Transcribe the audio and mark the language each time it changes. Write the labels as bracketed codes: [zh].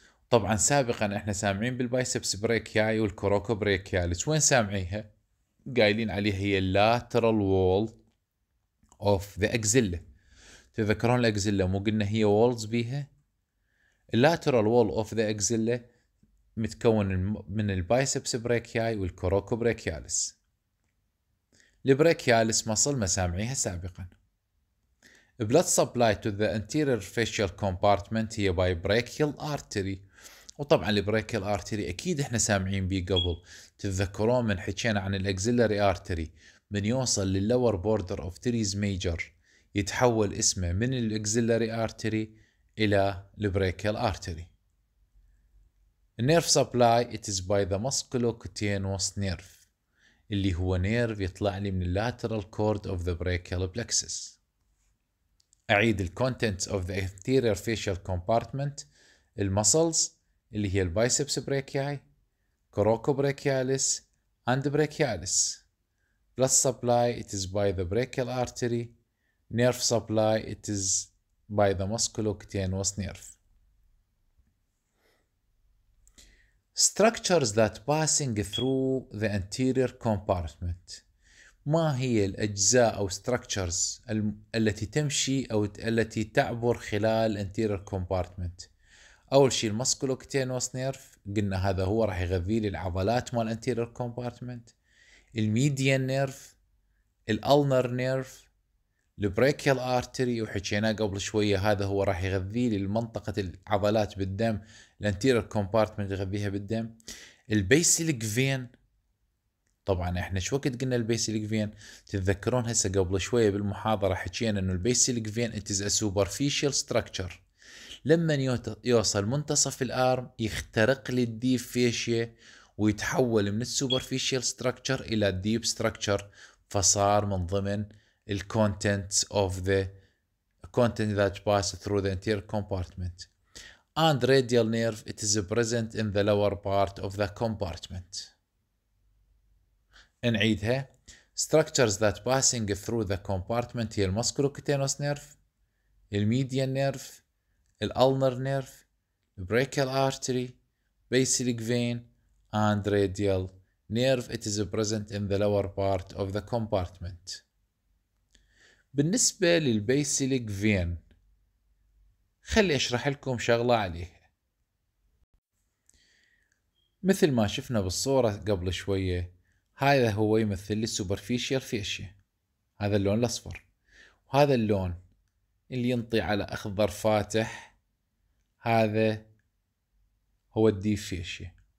[ar] طبعا سابقا احنا سامعين بالبايسبس بريكياي والكروكو بريكياليس وين سامعيها قايلين عليها هي [en] lateral wall of the axilla. [ar] تذكرون الأكزيلا مو قلنا هي walls بيها. اللاترال wall of the axilla متكون من البايسبس بريكياي والكروكو بريكياليس. البريكياليس مصل ما سامعيها سابقا. [en] blood supply to the anterior facial compartment [ar] هي [en] by brachial artery. [ar] وطبعا البريكيال artery اكيد احنا سامعين بيه قبل. تذكرون من حكينا عن الأكزيلاري artery من يوصل للور border of teres major يتحول اسمه من الاكزيلاري ارتري الى البريكيال ارتري. [en] النيرف supply it is by the musculocutaneous nerve [ar] اللي هو نيرف يطلع لي من [en] اللاترال cord of the brachial plexus. [ar] اعيد [en] الكونتنتس of the anterior fascial compartment المسلز [ar] اللي هي [en] البايسبس brachii, coracobrachialis and brachialis. Blood supply it is by the brachial artery. نيرف سبلاي it is by the musculocutaneous nerve. Structures that passing through the anterior compartment. [ar] ما هي الأجزاء أو structures التي تمشي أو التي تعبر خلال anterior compartment؟ أول شيء المسكولوكتينوس نيرف، قلنا هذا هو راح يغذي لي العضلات مال anterior compartment. الميديان نيرف، الألنر نيرف، البريكيال آرتري، وحكينا قبل شوية هذا هو راح يغذي لي المنطقة العضلات بالدم، الانتيرير كومبارتمنت يغذيها بالدم. البيسيليك فين، طبعا احنا شو وقت قلنا البيسيليك فين؟ تتذكرون هسه قبل شوية بالمحاضرة حكينا انه البيسيليك فين [en] it's superficial structure, [ar] لما يوصل منتصف الارم يخترق لي الديب فيشيا ويتحول من السوبرفيشال ستراكشر الى الديب ستراكشر، فصار من ضمن ال [en] contents of the content that pass through the anterior compartment. And radial nerve it is present in the lower part of the compartment. [ar] نعيدها. [en] Structures that passing through the compartment [ar] هي [en] musculocutaneous nerve, the median nerve, the ulnar nerve, the brachial artery, basilic vein, and radial nerve it is present in the lower part of the compartment. [ar] بالنسبة للبيسيليك فين، خلي اشرح لكم شغلة عليه. مثل ما شفنا بالصورة قبل شوية، هذا هو يمثل السوبرفيشيال فيشيا، هذا اللون الاصفر، وهذا اللون اللي ينطي على اخضر فاتح هذا هو الديب فيشيا.